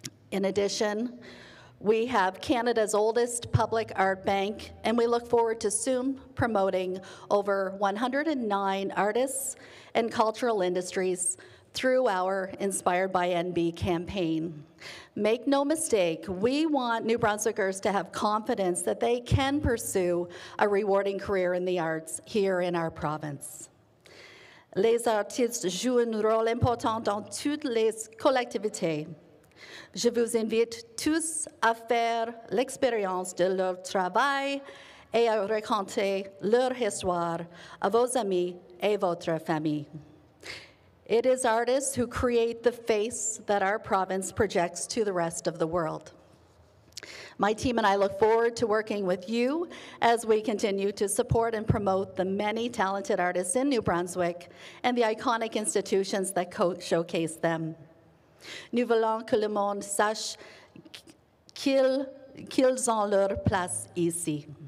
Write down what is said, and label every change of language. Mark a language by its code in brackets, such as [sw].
[en] In addition, we have Canada's oldest public art bank, and we look forward to soon promoting over 109 artists and cultural industries through our Inspired by NB campaign. Make no mistake, we want New Brunswickers to have confidence that they can pursue a rewarding career in the arts here in our province. [fr] Les artistes jouent un rôle important dans toutes les collectivités. Je vous invite tous à faire l'expérience de leur travail et à raconter leur histoire à vos amis et votre famille. [en] It is artists who create the face that our province projects to the rest of the world. My team and I look forward to working with you as we continue to support and promote the many talented artists in New Brunswick and the iconic institutions that showcase them. [fr] Nous voulons que le monde sache qu'ils ont leur place ici.